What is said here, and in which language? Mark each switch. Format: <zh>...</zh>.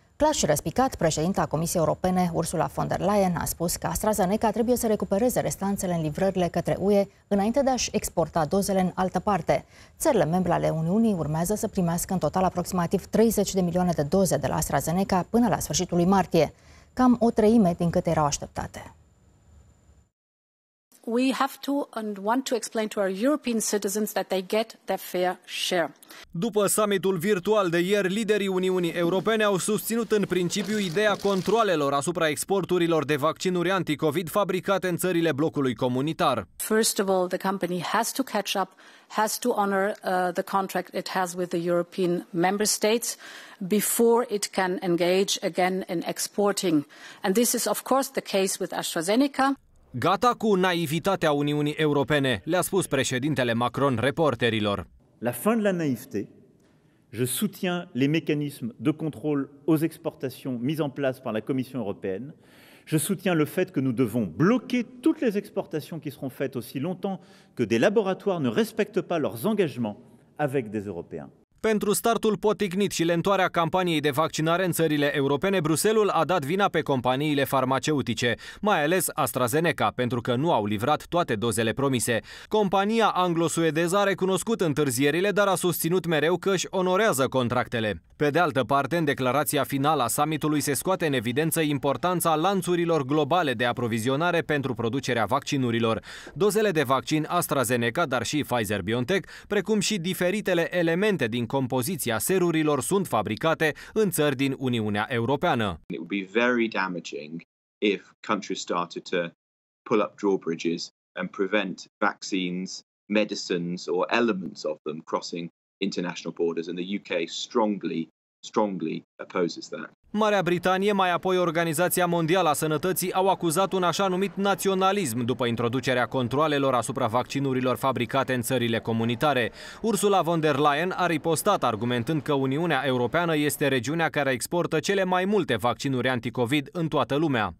<ro>Clar și răspicat, președinta Comisiei Europene, Ursula von der Leyen, a spus că AstraZeneca trebuie să recupereze restanțele în livrările către UE înainte de a-și exporta dozele în altă parte. Țările membre ale Uniunii urmează să primească în total aproximativ 30 de milioane de doze de la AstraZeneca până la sfârșitul lui martie, cam o treime din câte erau așteptate.</ro> <en>We have to and want to explain to our European citizens that they get their fair share.</en> <ro>După summitul virtual de ieri, liderii Uniunii Europene au susținut în principiu ideea controalelor asupra exporturilor de vaccinuri anti-COVID fabricate în țările blocului comunitar.</ro> <en>First of all, the company has to catch up, has to honor the contract it has with the European member states before it can engage again in exporting. And this is of course the case with AstraZeneca.</en> <ro>Gata cu naivitatea Uniunii Europene, le-a spus președintele Macron reporterilor.</ro> <fr>La fin de la naïveté. Je soutiens les mécanismes de contrôle aux exportations mis en place par la Commission européenne. Je soutiens le fait que nous devons bloquer toutes les exportations qui seront faites aussi longtemps que des laboratoires ne respectent pas leurs engagements avec des Européens.</fr> <ro>Pentru startul poticnit și lentoarea campaniei de vaccinare în țările europene, Bruselul a dat vina pe companiile farmaceutice, mai ales AstraZeneca, pentru că nu au livrat toate dozele promise. Compania anglo-suedeză a recunoscut întârzierile, dar a susținut mereu că își onorează contractele. Pe de altă parte, în declarația finală a summitului se scoate în evidență importanța lanțurilor globale de aprovizionare pentru producerea vaccinurilor. Dozele de vaccin AstraZeneca, dar și Pfizer-BioNTech, precum și diferitele elemente din compoziția serurilor sunt fabricate în țări din Uniunea Europeană.</ro> <en>It would be very damaging if countries started to pull up drawbridges and prevent vaccines, medicines or elements of them crossing international borders, and the UK strongly opposes that.</en> <ro>Marea Britanie, mai apoi Organizația Mondială a Sănătății, au acuzat un așa numit naționalism după introducerea controalelor asupra vaccinurilor fabricate în țările comunitare. Ursula von der Leyen a ripostat argumentând că Uniunea Europeană este regiunea care exportă cele mai multe vaccinuri anticovid în toată lumea.</ro>